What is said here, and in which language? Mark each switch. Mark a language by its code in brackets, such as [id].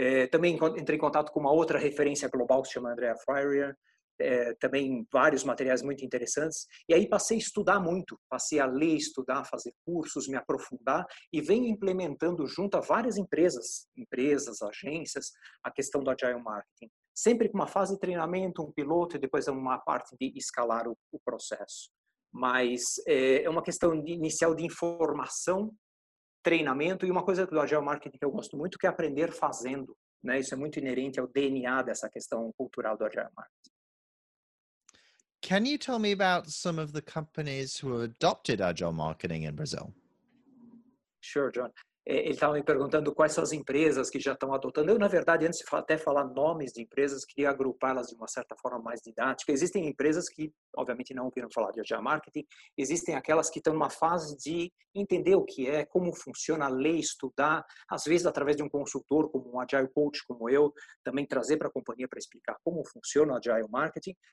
[pt] Também entrei em contato com uma outra referência global que se chama Andrea Freire, também vários materiais muito interessantes, e aí passei a estudar muito, passei a ler, estudar, fazer cursos, me aprofundar, e venho implementando junto a várias empresas, agências, a questão do Agile Marketing, sempre com uma fase de treinamento, um piloto, e depois uma parte de escalar o processo. Mas é uma questão inicial de informação, treinamento, e uma coisa do Agile Marketing que eu gosto muito, que é aprender fazendo, né? Isso é muito inerente ao DNA dessa questão cultural do Agile Marketing. [en] Can you tell me about some of the companies who adopted Agile Marketing in Brazil? Sure, John. [pt] Ele estava me perguntando quais são as empresas que já estão adotando. Eu, na verdade, antes de até falar nomes de empresas, queria agrupá-las de uma certa forma mais didática. Existem empresas que, obviamente, não ouviram falar de Agile Marketing. Existem aquelas que estão numa fase de entender o que é, como funciona, ler, estudar, às vezes através de um consultor, como um Agile Coach, como eu, também trazer para a companhia para explicar como funciona o Agile Marketing.